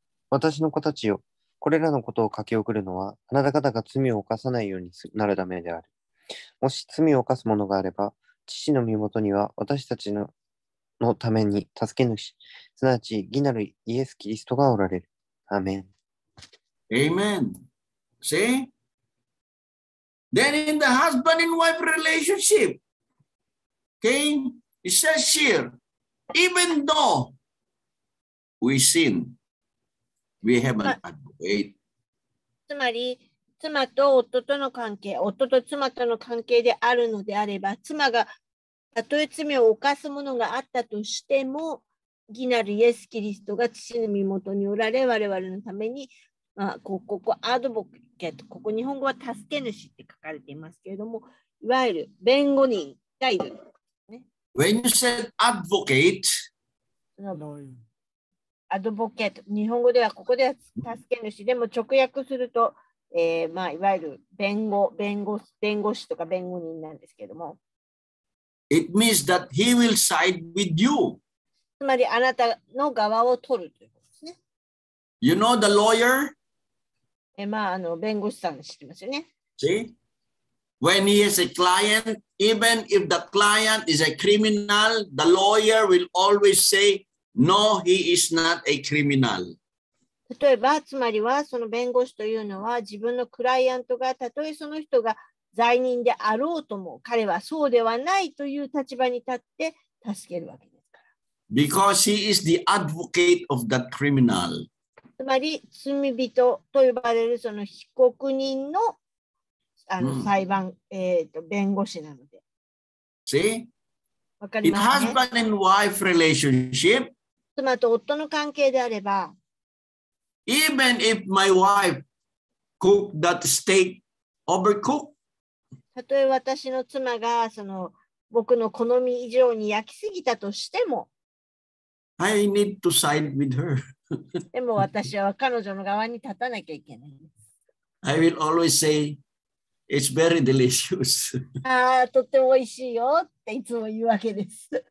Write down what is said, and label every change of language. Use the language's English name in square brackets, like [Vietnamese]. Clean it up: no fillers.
[Japanese] 私の子たちよ、これらのことを書き送るのは、あなた方が罪を犯さないようになるためである。もし罪を犯す者があれば、父の身元には私たちののために助け主、すなわち義なるイエス・キリストがおられる。アメン。 [English] Amen. See? Then in the husband and wife relationship, okay, it says here, even though we sin, we have an advocate. [Japanese] つまり妻と夫との関係、夫と妻との関係であるのであれば、妻がたとえ罪を犯すものがあったとしても、義なるイエス・キリストが父の身元におられ、我々のために、まあ、ここアドボケット、ここ日本語は助け主って書かれていますけれども、いわゆる弁護人がいる、ね。 [English] When you said advocate, [Japanese] アドボケット、日本語ではここでは助け主、でも直訳すると、まあ、いわゆる弁護士とか弁護人なんですけども。 [English] It means that he will side with you. [Japanese] つまりあなたの側を取るということですね。 [English] You know the lawyer? [Japanese] まあ、あの弁護士さん知ってますよね。 [English] See? When he is a client, even if the client is a criminal, the lawyer will always say, no, he is not a criminal. [Japanese] 例えば、つまりはその弁護士というのは自分のクライアントがたとえその人が罪人であろうとも彼はそうではないという立場に立って助けるわけですから。 [English] Because he is the advocate of that criminal. [Japanese] つまり罪人と呼ばれるその被告人の、あの裁判、弁護士なので。 [English] See? [Japanese] わかりますね。 [English] In husband and wife relationship, [Japanese] 妻と夫の関係であれば、 [English] Even if my wife cooked that steak overcooked, [Japanese] たとえ私の妻がその僕の好み以上に焼きすぎたとしても、 [English] I need to side with her. [Japanese] でも私は彼女の側に立たなきゃいけない。 [English] I will always say, it's very delicious. [Japanese] ああ、とっても美味しいよっていつも言うわけです。